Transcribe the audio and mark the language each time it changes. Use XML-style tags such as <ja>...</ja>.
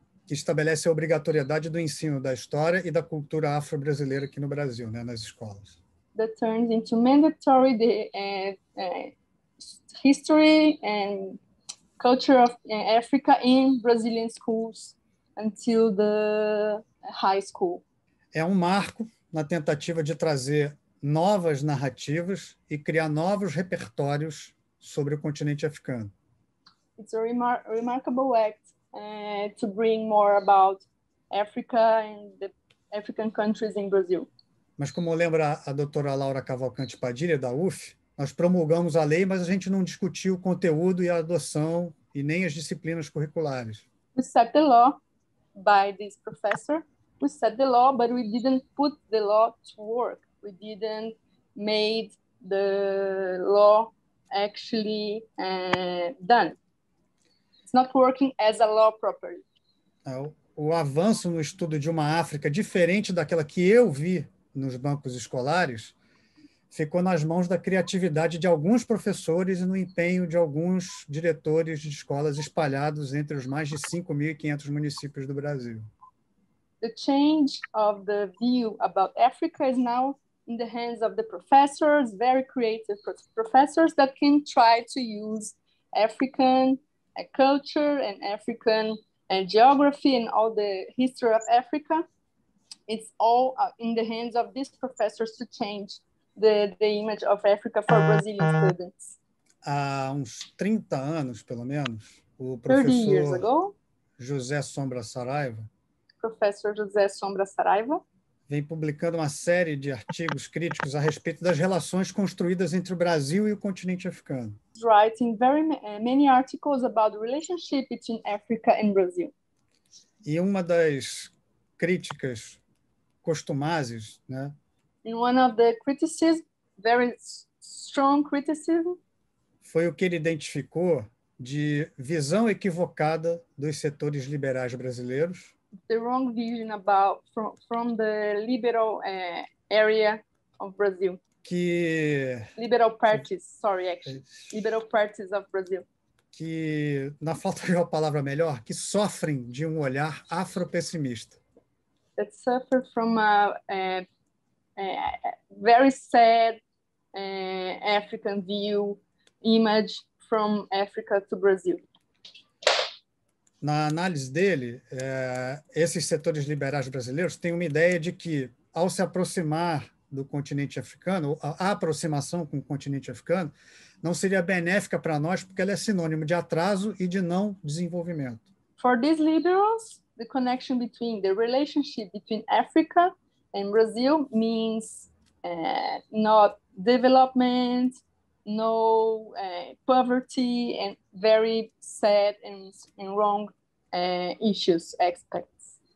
<pt>Que estabelece a obrigatoriedade do ensino da história e da cultura afro-brasileira aqui no Brasil, né, nas escolas.</pt> <en>That turns into mandatory the history and culture of Africa in Brazilian schools until the high school.</en> <pt>É um marco na tentativa de trazer novas narrativas e criar novos repertórios sobre o continente africano.</pt> <en>It's a remarkable act to bring more about Africa and the African countries in Brazil.</en> <pt>Mas como lembra a doutora Laura Cavalcante Padilha, da UF, nós promulgamos a lei, mas a gente não discutiu o conteúdo e a adoção e nem as disciplinas curriculares.</pt> <en>We set the law by this professor. We set the law, but we didn't put the law to work. We didn't make the law actually done. It's not working as a law properly.</en> <pt>O avanço no estudo de uma África diferente daquela que eu vi nos bancos escolares ficou nas mãos da criatividade de alguns professores e no empenho de alguns diretores de escolas espalhados entre os mais de 5.500 municípios do Brasil.</pt> <en>The change of the view about Africa is now in the hands of the professors, very creative professors that can try to use African culture and African geography and all the history of Africa. It's all in the hands of these professors to change the image of Africa for Brazilian students.</en> <pt>Há uns 30 anos, pelo menos, o professor José Sombra Saraiva, professor José Sombra Saraiva, vem publicando uma série de artigos críticos a respeito das relações construídas entre o Brasil e o continente africano.</pt> <en>Writing very many articles about the relationship between Africa and Brazil.</en> <pt>E uma das críticas costumazes, né?</pt> <en>In one of the criticisms, very strong criticism,</en> <pt>foi o que ele identificou de visão equivocada dos setores liberais brasileiros.</pt> <en>The wrong vision about from the liberal area of Brazil.</en> <pt>Que</pt> <en>liberal parties, sorry, actually. Liberal parties of Brazil.</en> <pt>Que, na falta de uma palavra melhor, que sofrem de um olhar afropessimista.</pt> <en>That suffer from a very sad African view, image from Africa to Brazil.</en> <pt>Na análise dele, esses setores liberais brasileiros têm uma ideia de que, ao se aproximar do continente africano, a aproximação com o continente africano não seria benéfica para nós porque ela é sinônimo de atraso e de não desenvolvimento.</pt> <en>For these liberals, the connection between the relationship between Africa and Brazil means not development, no poverty and very sad and wrong issues, aspects.</en>